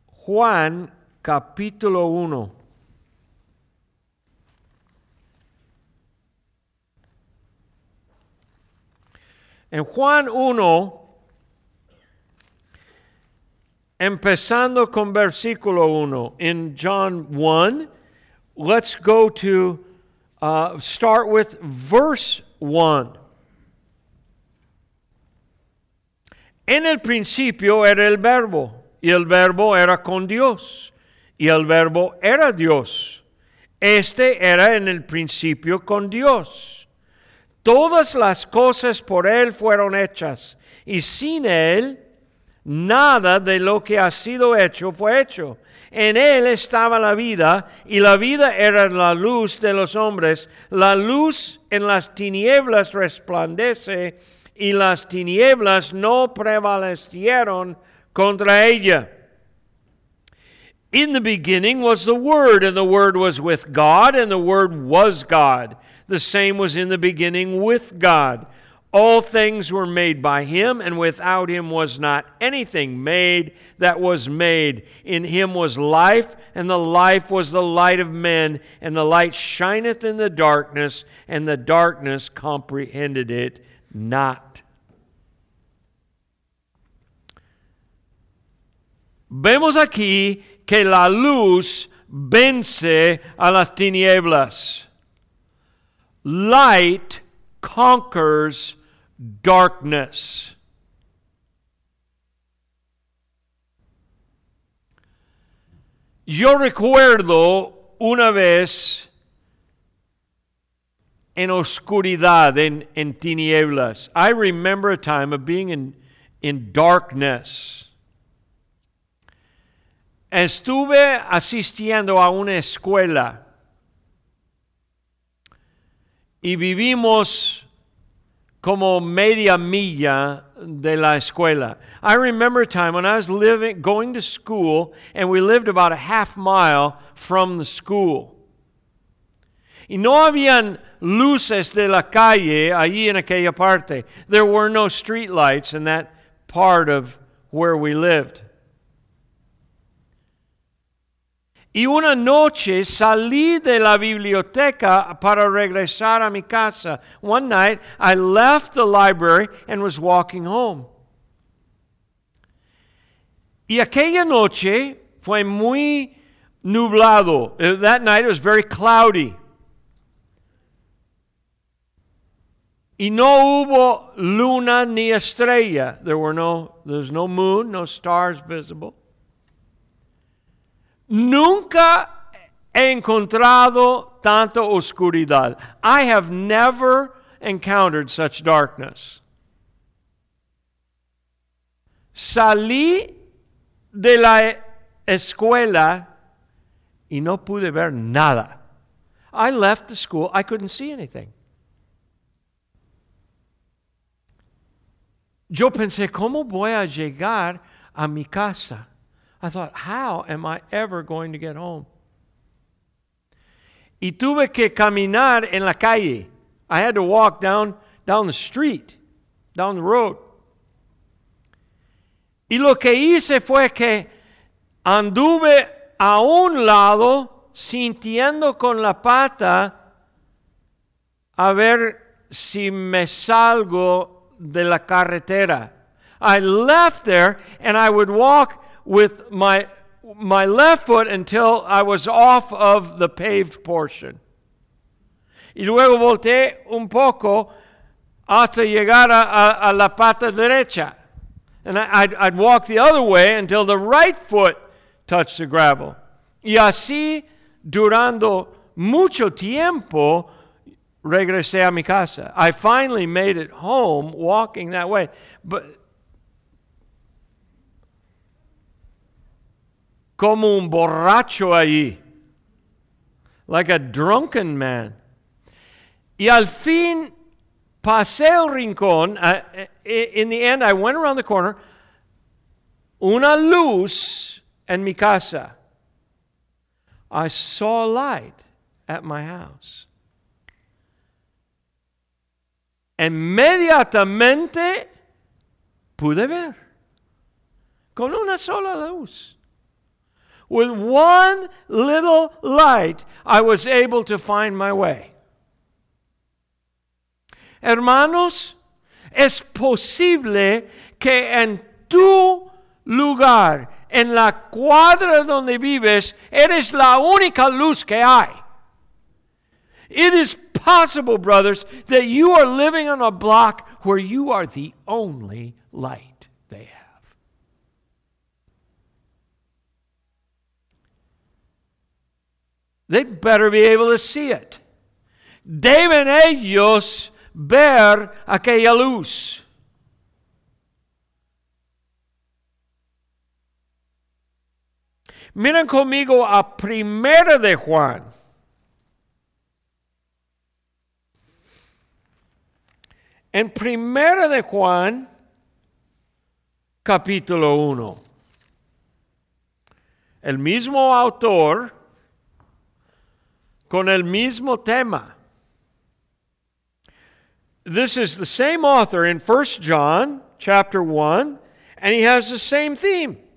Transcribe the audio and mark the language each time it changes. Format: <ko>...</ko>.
<es>Juan, capítulo 1. En Juan 1, empezando con versículo 1.</es> <en>In John 1, let's go to, start with verse 1.</en> <es>En el principio era el verbo. Y el verbo era con Dios, y el verbo era Dios. Este era en el principio con Dios. Todas las cosas por él fueron hechas, y sin él, nada de lo que ha sido hecho fue hecho. En él estaba la vida, y la vida era la luz de los hombres. La luz en las tinieblas resplandece, y las tinieblas no prevalecieron contra ella.</es> <en>In the beginning was the Word, and the Word was with God, and the Word was God. The same was in the beginning with God. All things were made by Him, and without Him was not anything made that was made. In Him was life, and the life was the light of men, and the light shineth in the darkness, and the darkness comprehended it not.</en> <es>Vemos aquí que la luz vence a las tinieblas.</es> <en>Light conquers darkness.</en> <es>Yo recuerdo una vez en oscuridad, en tinieblas.</es> <en>I remember a time of being in darkness.</en> <es>Estuve asistiendo a una escuela y vivimos como media milla de la escuela.</es> <en>I remember a time when I was going to school and we lived about a half mile from the school.</en> <es>Y no habían luces de la calle allí en aquella parte.</es> <en>There were no street lights in that part of where we lived.</en> <es>Y una noche salí de la biblioteca para regresar a mi casa.</es> <en>One night, I left the library and was walking home.</en> <es>Y aquella noche fue muy nublado.</es> <en>That night it was very cloudy.</en> <es>Y no hubo luna ni estrella.</es> <en>There's no moon, no stars visible.</en> <es>Nunca he encontrado tanta oscuridad.</es> <en>I have never encountered such darkness.</en> <es>Salí de la escuela y no pude ver nada.</es> <en>I left the school, I couldn't see anything.</en> <es>Yo pensé, ¿cómo voy a llegar a mi casa?</es> <en>I thought, how am I ever going to get home?</en> <es>Y tuve que caminar en la calle.</es> <en>I had to walk down the street, down the road.</en> <es>Y lo que hice fue que anduve a un lado, sintiendo con la pata, a ver si me salgo de la carretera.</es> <en>I left there and I would walk with my left foot until I was off of the paved portion.</en> <es>Y luego volteé un poco hasta llegar a la pata derecha.</es> <en>And I'd walk the other way until the right foot touched the gravel.</en> <es>Y así, durando mucho tiempo, regresé a mi casa.</es> <en>I finally made it home walking that way. But</en> <es>como un borracho allí,</es> <en>like a drunken man.</en> <es>Y al fin pasé el rincón.</es> <en>In the end, I went around the corner.</en> <es>Una luz en mi casa.</es> <en>I saw light at my house.</en> <es>Inmediatamente pude ver. Con una sola luz.</es> <en>With one little light, I was able to find my way.</en> <es>Hermanos, es posible que en tu lugar, en la cuadra donde vives, eres la única luz que hay.</es> <en>It is possible, brothers, that you are living on a block where you are the only light they have. They better be able to see it.</en> <es>Deben ellos ver aquella luz. Miren conmigo a Primera de Juan. En Primera de Juan, capítulo 1. El mismo autor, con el mismo tema.</es> <en>This is the same author in 1 John chapter 1, and he has the same theme.</en>